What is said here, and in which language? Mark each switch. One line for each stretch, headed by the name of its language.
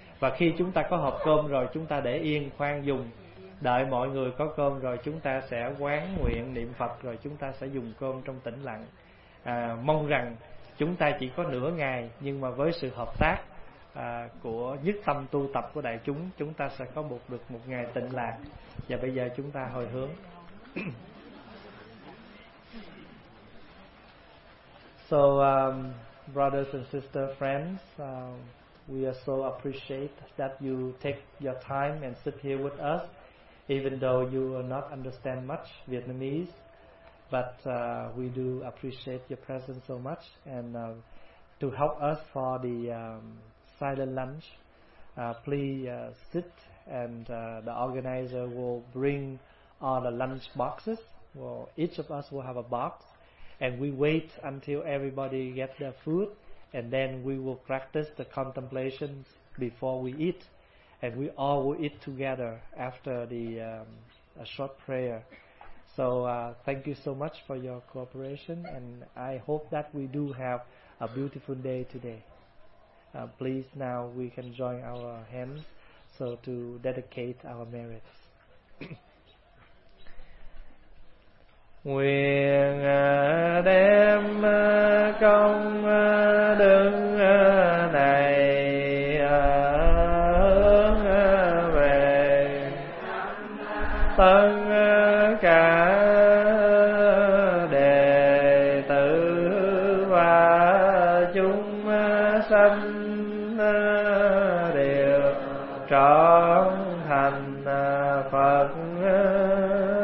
Vietnamese: Và khi chúng ta có hộp cơm rồi, chúng ta để yên khoan dùng, đợi mọi người có cơm rồi, chúng ta sẽ quán nguyện niệm Phật, rồi chúng ta sẽ dùng cơm trong tĩnh lặng. Mong rằng chúng ta chỉ có nửa ngày, nhưng mà với sự hợp tác của nhất tâm tu tập của đại chúng, chúng ta sẽ có được một ngày tịnh lạc. Và bây giờ chúng ta hồi hướng.
English: So brothers and sisters, friends, we are so appreciate that you take your time and sit here with us, even though you will not understand much Vietnamese, but we do appreciate your presence so much, and to help us for the silent lunch, please sit, and the organizer will bring all the lunch boxes. Well, each of us will have a box, and we wait until everybody gets their food, and then we will practice the contemplations before we eat, and we all will eat together after the a short prayer. So thank you so much for your cooperation, and I hope that we do have a beautiful day today. Please now we can join our hands so to dedicate our merits.
Vietnamese: Nguyện đem công đức này hướng về tất cả đệ tử và chúng sanh đều trọn thành Phật.